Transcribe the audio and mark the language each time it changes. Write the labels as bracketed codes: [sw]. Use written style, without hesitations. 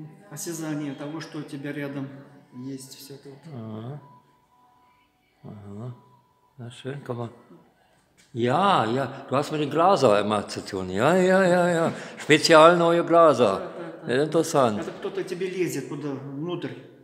[ru] Осязание того, что у тебя рядом есть все это. [de] Ага. Ja, schön, komm mal. Ja, ja, du hast mit den Glaser immer zu tun. Ja, ja, ja, ja. Spezial neue Glaser. Ja, interessant. Also, [ru] кто-то тебе лезет туда внутрь.